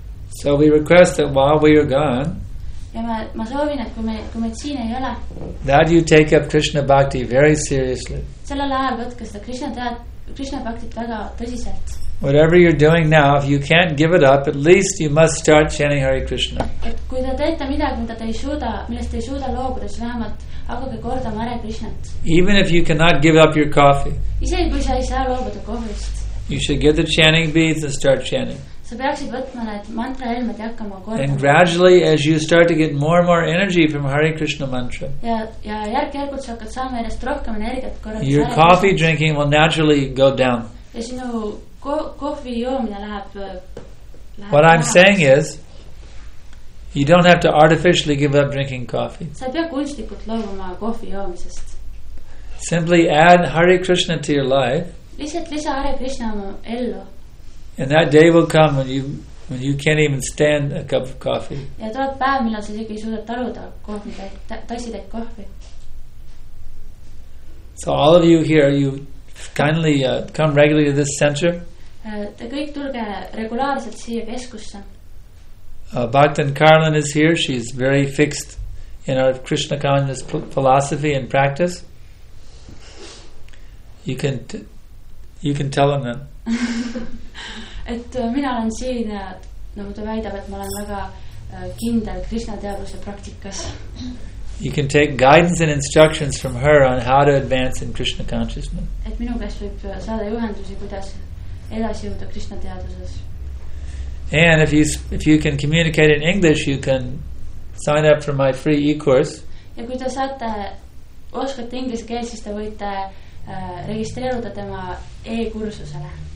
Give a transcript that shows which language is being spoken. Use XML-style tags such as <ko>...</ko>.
<en>So we request that while we are gone,</en> <et>ja ma soovin, et kui meid siin ei ole,</et> <en>that you take up Krishna Bhakti very seriously.</en> <et>Sellel ajal võtke seda Krishna Bhaktit väga tõsiselt.</et> <en>Whatever you're doing now, if you can't give it up, at least you must start chanting Hare Krishna.</en> <et>Et kui te teete midagi, mida te ei suuda, millest te ei suuda loobuda, siis vähemalt hakkage kordama Hare Krishnat.</et> <en>Even if you cannot give up your coffee,</en> <et>isegi kui sa ei saa loobuda kohvist,</et> <en>you should get the chanting beads and start chanting.</en> <et>Sa peaksid võtma need mantra helmed ja hakkama kordama.</et> <en>And gradually, as you start to get more and more energy from Hare Krishna mantra,</en> <et>ja järgkärgult sa hakkad saama järjest rohkem energiat kordama.</et> <en>Your coffee drinking will naturally go down.</en> <et>Ja sinu kohvi joomine läheb</et> <en>what I'm saying is you don't have to artificially give up drinking coffee.</en> <et>Sa ei pea kunstlikult loobuma kohvi joomisest.</et> <en>Simply add Hare Krishna to your life.</en> <et>Lisa Hare Krishna ellu.</et> <en>And that day will come when you can't even stand a cup of coffee.</en> <et>Ja tuleb päev, millal sa isegi ei suuda taluda kohvi, tassitäit kohvi.</et> <en>So all of you here, you kindly come regularly to this center.</en> <et>Te kõik tulge regulaarselt siia keskusse.</et> <en>Bhaktan Karlin is here. She's very fixed in our Krishna consciousness philosophy and practice. You can tell him that.</en> <et>Et mina olen siin, nagu ta väidab, et ma olen väga kindel Krishna teaduse praktikas.</et> <en>You can take guidance and instructions from her on how to advance in Krishna consciousness.</en> <et>Et minu käest võib saada juhendusi, kuidas edasi jõuda Krishna teaduses.</et> <en>And if you can communicate in English, you can sign up for my free e-course.</en> <et>Ja kui te saate oskate inglise keelt, siis te võite registreeruda tema e-kursusele.</et>